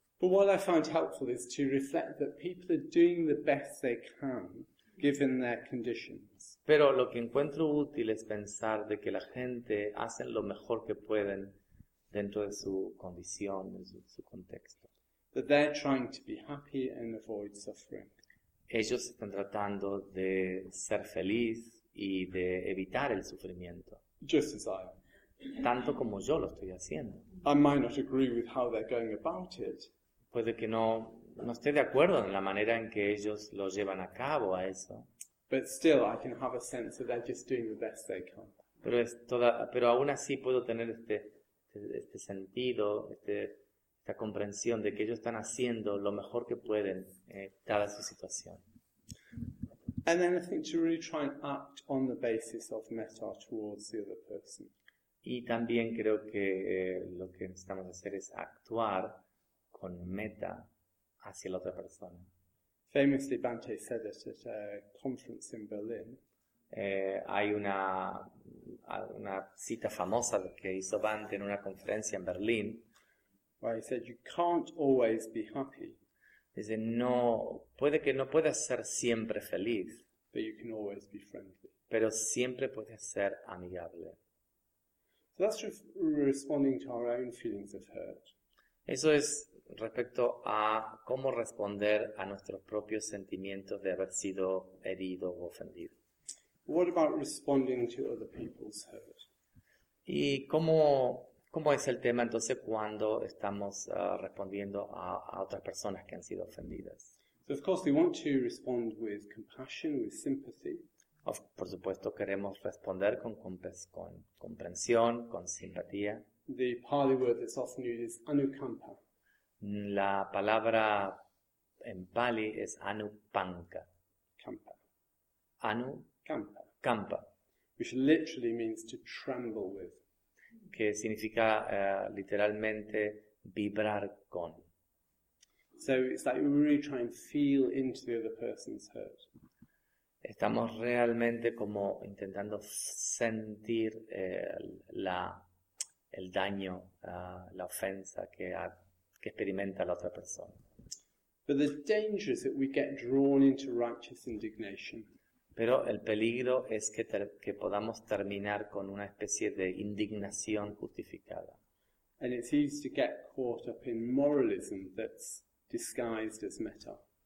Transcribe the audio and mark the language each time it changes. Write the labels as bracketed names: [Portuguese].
[English] But what I find helpful is to reflect that people are doing the best they can given their conditions. [Spanish] Pero lo que encuentro útil es pensar de que la gente hace lo mejor que pueden dentro de su condición, de su contexto. [English] That they're trying to be happy and avoid suffering. [Spanish] Ellos están tratando de ser feliz y de evitar el sufrimiento. [English] Just as I am. [Spanish] Tanto como yo lo estoy haciendo. [English] I might not agree with how they're going about it. [Spanish] Puede que no esté de acuerdo en la manera en que ellos lo llevan a cabo a eso. [English] But still, I can have a sense that they're just doing the best they can. [Spanish] Pero aún así puedo tener este sentido, esta comprensión de que ellos están haciendo lo mejor que pueden dada su situación. [English] And then I think to really try and act on the basis of metta towards the other person. [Spanish] Y también creo que lo que necesitamos hacer es actuar con meta hacia la otra persona. [English] Famously, Bhante said it at a conference in Berlin. [Spanish] Hay una cita famosa que hizo Bhante en una conferencia en Berlín. [English] Where he said, you can't always be happy. [Spanish] Dice, no, puede que no puedas ser siempre feliz. [English] But you can always be friendly. [Spanish] Pero siempre puedes ser amigable. [English] So that's responding to our own feelings of hurt. [Spanish] Eso es respecto a cómo responder a nuestros propios sentimientos de haber sido herido o ofendido. [English] What about responding to other people's hurt? [Spanish] ¿Y cómo es el tema entonces cuando estamos respondiendo a otras personas que han sido ofendidas? [English] So of course we want to respond with compassion, with sympathy. [Spanish] Por supuesto queremos responder con comprensión, con simpatía. [English] The Pali word that's often used is anukampa. [Spanish] La palabra en Pali es anupanka. [Pali] Kampa. Anu. Kampa. Kampa. [English] Which literally means to tremble with. [Spanish] Que significa literalmente vibrar con. [English] So it's like we really try and feel into the other person's hurt. [Spanish] Estamos realmente como intentando sentir el daño, la ofensa que experimenta la otra persona. [English] But the danger is that we get drawn into righteous indignation. [Spanish] Pero el peligro es que podamos terminar con una especie de indignación justificada. [English] And it's easy to get caught up in moralism that's disguised as meta.